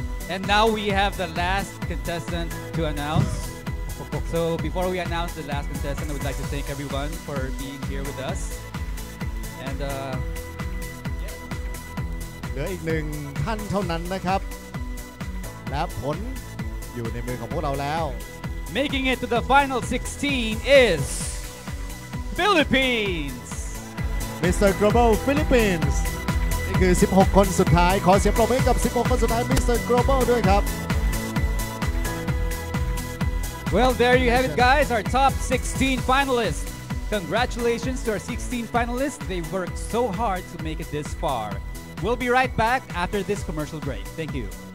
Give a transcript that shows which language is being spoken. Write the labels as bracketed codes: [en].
[en] And now we have the last contestant to announce. So before we announce the last contestant, I would like to thank everyone for being here with us. And [th] เหลืออีกหนึ่งท่านเท่านั้นนะครับและผลอยู่ในมือของพวกเราแล้ว [en] Making it to the final 16 is Philippines. Mr. Global Philippines. [th] นี่คือ16คนสุดท้ายขอเสียงปรบมือกับ16คนสุดท้ายมิสเตอร์โกลบอลด้วยครับ [en] Well there you have it guys our top 16 finalists Congratulations to our 16 finalists they worked so hard to make it this far We'll be right back after this commercial break Thank you